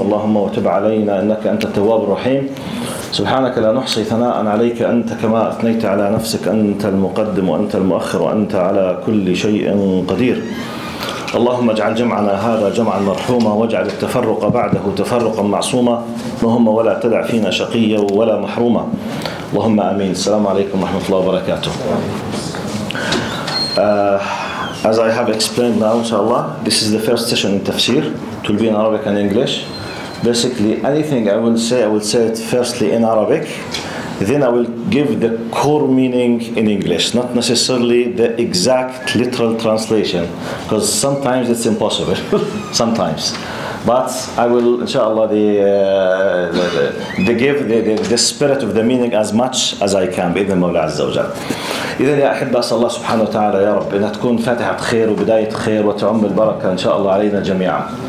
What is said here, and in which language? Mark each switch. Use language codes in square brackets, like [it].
[ar] اللهم وتب علينا إنك أنت التواب الرحيم. سبحانك لا نحصي ثناء عليك، أنت كما أثنيت على نفسك، أنت المقدم وأنت المؤخر وأنت على كل شيء قدير. اللهم اجعل جمعنا هذا جمعا مرحوما، واجعل التفرق بعده تفرقا معصوما. اللهم ولا تدع فينا شقيا ولا محروما. اللهم آمين. السلام عليكم ورحمة الله وبركاته. [en] As I have explained now, inshallah, this is the first session in Tafsir. It will be in Arabic and English. Basically, anything I will say it firstly in Arabic. Then I will give the core meaning in English, not necessarily the exact literal translation, because sometimes it's impossible, sometimes. But I will, inshallah, the spirit of the meaning as much as I can, [ar] بإذن مولى عز وجل. إذن يا أحبة، أسأل الله سبحانه وتعالى يا رب أن تكون فاتحة خير وبداية خير وتعم البركة إن شاء الله علينا جميعا.